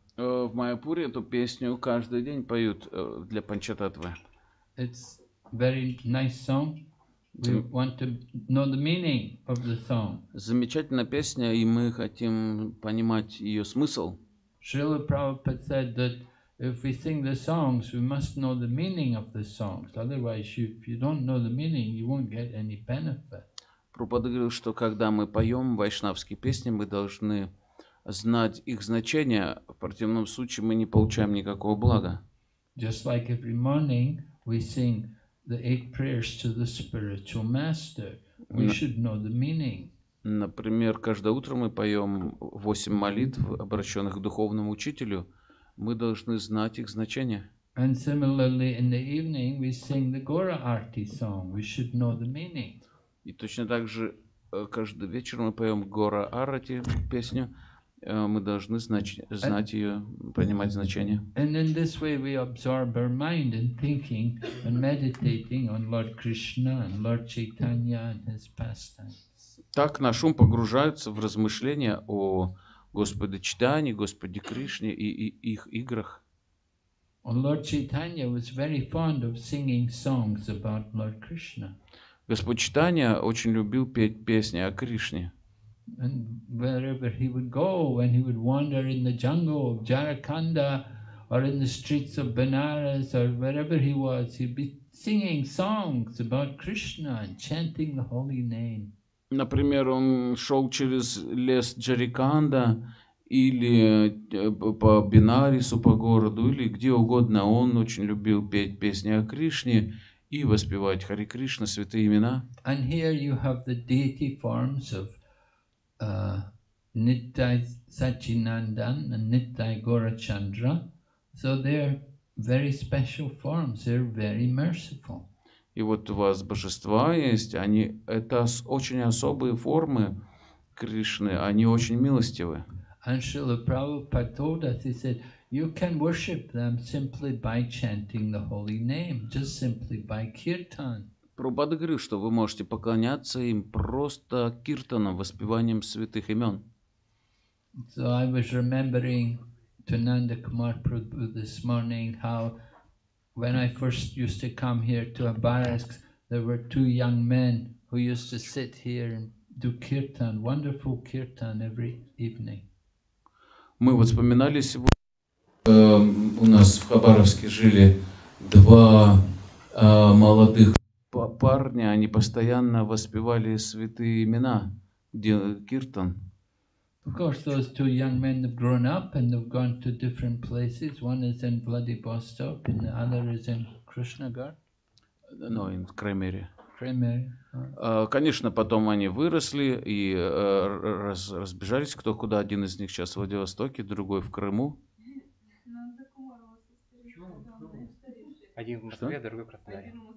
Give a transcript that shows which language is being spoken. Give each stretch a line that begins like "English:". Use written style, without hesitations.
Russian: В Майяпуре эту песню каждый день поют для Панчататвы.
English: It's very nice song. We want to know the meaning of the song.
Russian: Замечательная песня, и мы хотим понимать ее смысл.
English: Шрила Прабхупада said that if we sing the songs, we must know the meaning of the songs. Otherwise, if you don't know the meaning, you won't get any benefit.
Russian: Прабхупада говорил, что когда мы поем вайшнавские песни, мы должны знать их значение. В противном случае мы не получаем никакого блага.
English: Just like every morning we sing the eight prayers to the spiritual master, we should know the meaning.
Russian: Например, каждое утро мы поем 8 молитв, обращенных к духовному учителю. Мы должны знать их значение.
English: And similarly, in the evening we sing the Gaura Arti song. We should know the meaning.
Russian: И точно так же каждый вечер мы поем Гора Арати песню. Мы должны знать ее, понимать значение.
English: And in this way we absorb our mind in thinking and meditating on Lord Krishna and Lord Chaitanya and his pastimes.
Russian: Так наш ум погружается в размышления о Господе Чайтанье, Господе Кришне и их играх.
English: Lord Chaitanya was very fond of singing songs about Lord Krishna.
Russian: Господь Чайтанья очень любил петь песни о Кришне.
English: And wherever he would go, when he would wander in the jungle of Jharkhanda, or in the streets of Benares, or wherever he was, he'd be singing songs about Krishna and chanting the holy name.
Russian: Например, он шел через лес Джариканда или по Бенаресу, по городу, или где угодно. Он очень любил петь песни о Кришне и воспевать Хари Кришна, святые имена.
English: And here you have the deity forms of Nittai Sachinandan and Nittai Gaurachandra. So they're very special forms. They're very merciful.
Russian: И вот у вас божества есть, они это очень особые формы Кришны, они очень милостивы.
English: And Srila Prabhupada told us, he said, you can worship them simply by chanting the holy name, just simply by kirtan.
Russian: Прабхупада говорил, что вы можете поклоняться им просто киртаном, воспеванием святых имен.
English: So I was remembering to Nanda Kumar Prabhu this morning how when I first used to come here to Abarax, there were two young men who used to sit here and do kirtan, wonderful kirtan every evening.
Russian: Мы вспоминали сегодня, у нас в Хабаровске жили два молодых парня, они постоянно воспевали святые имена, киртан.
English: Of course, those two young men have grown up and they've gone to different places. One is in Vladivostok and the other is in Krishnagar. No, in Kremere. Kremere.
Russian: Конечно, потом они выросли и разбежались, кто куда. Один из них сейчас в Владивостоке, другой в Крыму. Один в Москве, другой в Краснодаре.